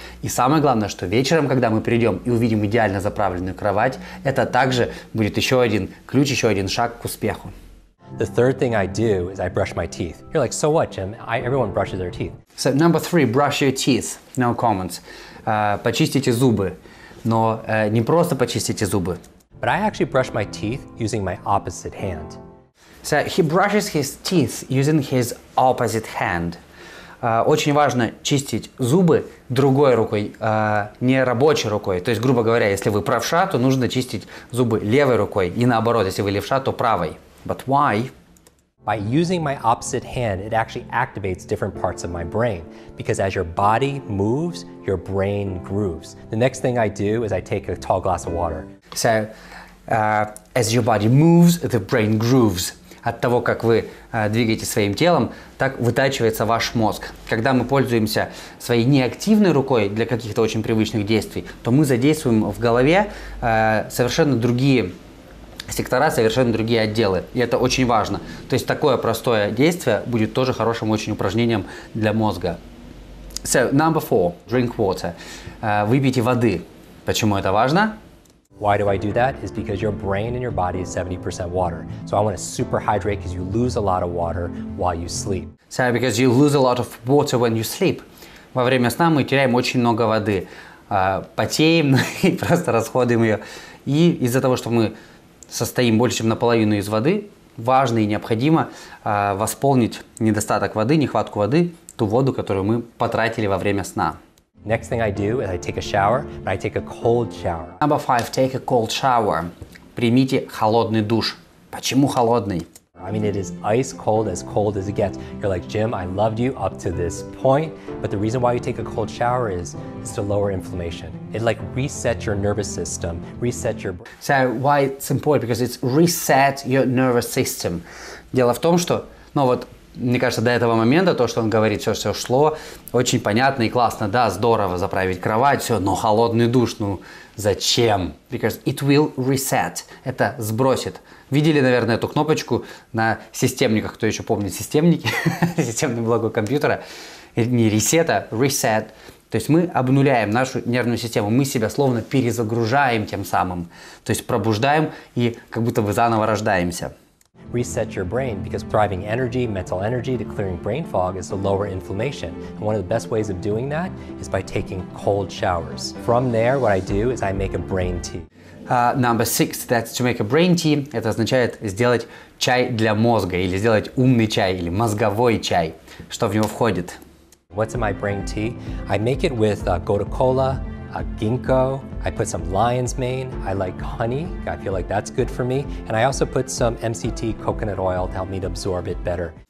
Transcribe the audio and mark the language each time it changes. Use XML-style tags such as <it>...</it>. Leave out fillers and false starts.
<ru>И самое главное, что вечером, когда мы придем и увидим идеально заправленную кровать, это также будет еще один ключ, еще один шаг к успеху.</ru> <en>The third thing I do is I brush my teeth. You're like, so what, Jim? Everyone brushes their teeth. So number three, brush your teeth. No comments.</en> <ru>Почистите зубы. Но не просто почистите зубы.</ru> <en>But I actually brush my teeth using my opposite hand. So he brushes his teeth using his opposite hand.</en> <ru>Очень важно чистить зубы другой рукой, не рабочей рукой. То есть, грубо говоря, если вы правша, то нужно чистить зубы левой рукой. И наоборот, если вы левша, то правой.</ru> <en>But why? By using my opposite hand, it actually activates different parts of my brain. Because as your body moves, your brain grooves. The next thing I do is I take a tall glass of water. So, as your body moves, the brain grooves.</en> <ru>От того, как вы двигаете своим телом, так вытачивается ваш мозг. Когда мы пользуемся своей неактивной рукой для каких-то очень привычных действий, то мы задействуем в голове совершенно другие сектора, совершенно другие отделы. И это очень важно. То есть такое простое действие будет тоже хорошим очень упражнением для мозга.</ru> <en>So, number four. Drink water.</en> <ru>Выпейте воды. Почему это важно?</ru> <en>Why do I do that? It's because your brain and your body is 70% water. So I want to super hydrate because you lose a lot of water while you sleep. So because you lose a lot of water when you sleep.</en> <ru>Во время сна мы теряем очень много воды. Потеем и просто расходуем ее. И из-за того, что мы состоим больше, чем наполовину из воды, важно и необходимо восполнить недостаток воды, нехватку воды, ту воду, которую мы потратили во время сна.</ru> <en>Next thing I do is I take a shower, but I take a cold shower. Number five, take a cold shower.</en> <ru>Примите холодный душ. Почему холодный?</ru> <en>I mean, it is ice cold as it gets. You're like, Jim, I loved you up to this point, but the reason why you take a cold shower is to lower inflammation. It like resets your nervous system, resets your brain. So why it's important? Because it's reset your nervous system.</en> <ru>Дело в том, что, ну вот, мне кажется, до этого момента то, что он говорит, все шло очень понятно и классно, да, здорово заправить кровать, все, но холодный душ, ну зачем?</ru> <en>Because it will reset.</en> <ru>Это сбросит. Видели, наверное, эту кнопочку на системниках, кто еще помнит системники, системный блок компьютера, не reset, а reset. То есть мы обнуляем нашу нервную систему, мы себя словно перезагружаем тем самым, то есть пробуждаем и как будто бы заново рождаемся.</ru> <en>Reset your brain, because thriving energy, mental energy, the clearing brain fog is to lower inflammation. And one of the best ways of doing that is by taking cold showers. From there, what I do is I make a brain tea. Number six, that's to make a brain tea.</en> <ru>Это означает сделать чай для мозга, или сделать умный чай, или мозговой чай. Что в него входит?</ru> <en>What's in my brain tea? I make it with gota cola, ginkgo, I put some lion's mane, I like honey, I feel like that's good for me, and I also put some MCT coconut oil to help me to absorb it better.</en>